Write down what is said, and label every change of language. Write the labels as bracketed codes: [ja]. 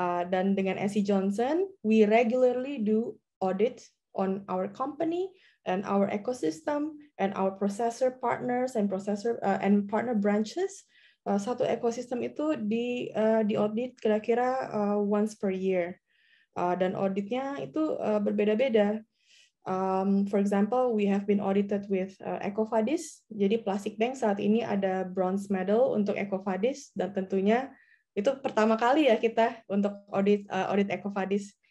[id] Dan dengan [en] SC Johnson, we regularly do audit on our company and our ecosystem and our processor partners and partner branches. [id] Satu ekosistem itu di audit kira-kira [en] once per year. [id] Dan auditnya itu berbeda-beda. [en] For example, we have been audited with EcoVadis. [id] Jadi Plastic Bank saat ini ada [en] bronze medal [id] untuk EcoVadis, dan tentunya itu pertama kali ya kita untuk audit EcoVadis.